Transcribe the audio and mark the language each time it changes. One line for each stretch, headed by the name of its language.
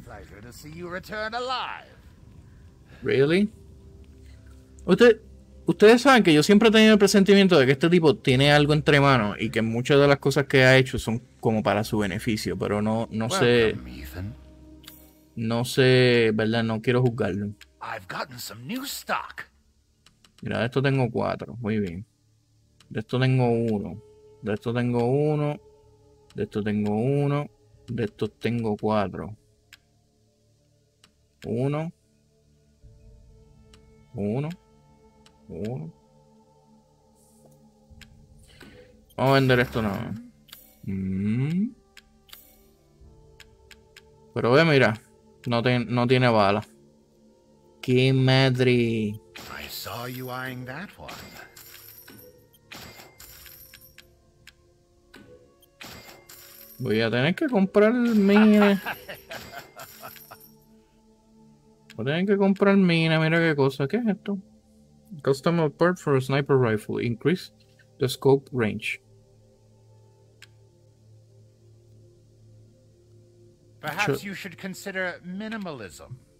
English: Pleasure to see you return alive. Really?
Spanish: Ustedes saben que yo siempre he tenido el presentimiento de que este tipo tiene algo entre manos y que muchas de las cosas que ha hecho son como para su beneficio, pero no sé. No sé, ¿verdad? No quiero juzgarlo.
English: I've gotten some new stock.
Spanish: Mira, de esto tengo 4. Muy bien. De esto tengo 1. De esto tengo 1. De esto tengo 1. De esto tengo 4. 1. 1. 1. Vamos a vender esto nada más. Pero ve, mira. No tiene bala. ¡Qué madre!
English: I saw you eyeing that one.
Spanish: Voy a tener que comprar mina. Voy a tener que comprar mina. Mira qué cosa. ¿Qué es esto?
English: Custom part for a sniper rifle. Increase the scope range. Perhaps you should consider minimalism.